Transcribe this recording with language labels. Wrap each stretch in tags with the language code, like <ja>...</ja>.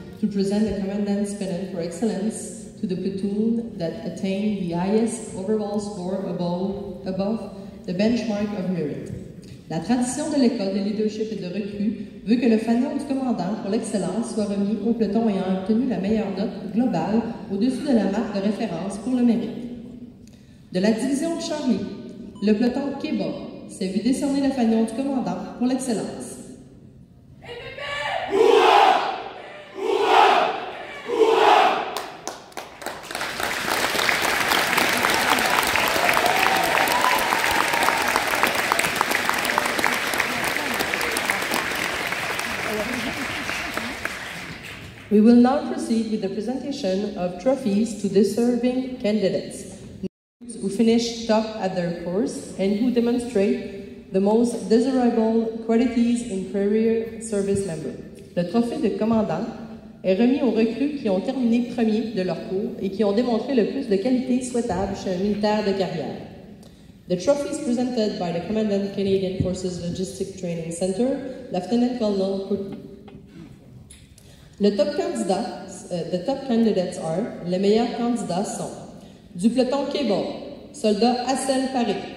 <en>Present the Commandant's Pennant for Excellence to the platoon that attained the highest overall score above the benchmark of merit.</en> <fr>La tradition de l'école de leadership et de recrue veut que le fanion du commandant pour l'excellence soit remis au peloton ayant obtenu la meilleure note globale au-dessus de la marque de référence pour le mérite. De la division de Charlie, le peloton Québec s'est vu décerner le fanion du commandant pour l'excellence.</fr> <en>We will now proceed with the presentation of trophies to deserving candidates who finish top at their course and who demonstrate the most desirable qualities in career service member.</en> <fr>Le trophée de commandant est remis aux recrues qui ont terminé premier de leur cours et qui ont démontré le plus de qualités souhaitables chez un militaire de carrière.</fr> <en>The trophies presented by the Commandant Canadian Forces Logistic Training Center, Lieutenant Colonel Courtney. The top candidates are,</en> <fr>les meilleurs candidats sont, du peloton Cable, soldat Hassel Paris.</fr>